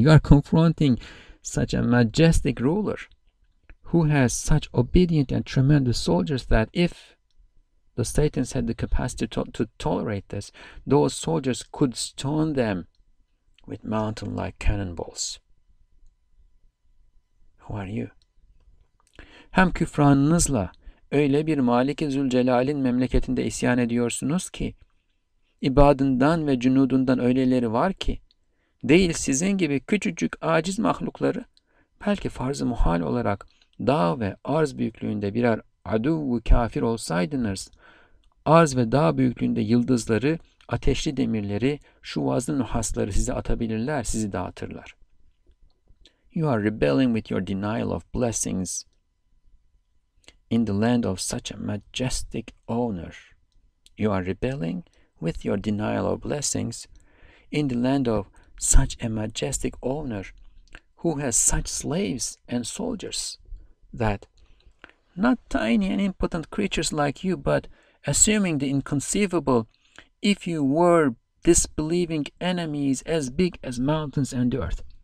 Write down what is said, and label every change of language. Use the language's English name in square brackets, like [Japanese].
[English] You are confronting such a majestic ruler who has such obedient and tremendous soldiers that if the Satans had the capacity to tolerate this, those soldiers could stone them with mountain-like cannonballs. Who are you? [Turkish] Hem küfranınızla öyle bir Malik-i Zülcelal'in memleketinde isyan ediyorsunuz ki, ibadından ve cünudundan öyleleri var ki, değil sizin gibi küçücük aciz mahlukları, belki farz-ı muhal olarak dağ ve arz büyüklüğünde birer aduv-u kafir olsaydınız, arz ve dağ büyüklüğünde yıldızları, ateşli demirleri, şu vazlı nuhasları size atabilirler, sizi dağıtırlar. [English] You are rebelling with your denial of blessings in the land of such a majestic owner. You are rebelling with your denial of blessings in the land of such a majestic owner who has such slaves and soldiers that not tiny and impotent creatures like you, but assuming the inconceivable, if you were disbelieving enemies as big as mountains and the earth.